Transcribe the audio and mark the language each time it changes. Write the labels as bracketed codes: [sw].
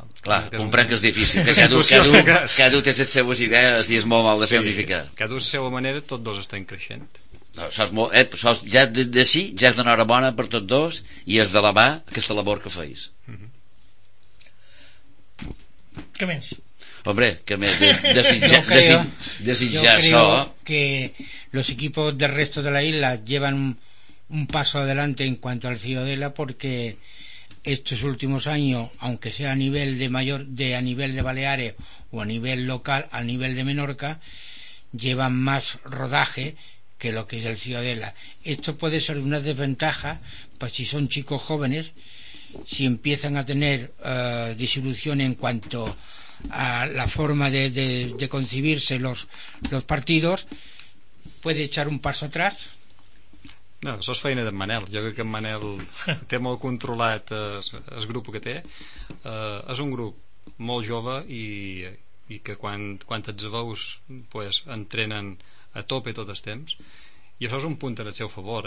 [ca] Clar, comprenc que és difícil, que cadascú té les seues idees i és molt mal de fer unificar. Cadascú la seva manera, tots dos estan creixent. Ja de sí, ja és d'enhorabona per tots dos i és d'alabar aquesta labor que feis. Què més? Hombre, que me desitja això. [es] Yo creo que los equipos del resto de la isla llevan un paso adelante en cuanto al Ciudadela, porque estos últimos años, aunque sea a nivel de mayor, de a nivel de Baleares o a nivel local, a nivel de Menorca, llevan más rodaje que lo que es el Ciudadela. Esto puede ser una desventaja para si son chicos jóvenes, si empiezan a tener disolución en cuanto a la forma de concebirse los partidos, puede echar un paso atrás. [ca] No, això és feina d'en Manel. Jo crec que en Manel té molt controlat el grup que té. És un grup molt jove i que quan ets veus pues, entrenen a tope tot el temps, i això és un punt en el seu favor.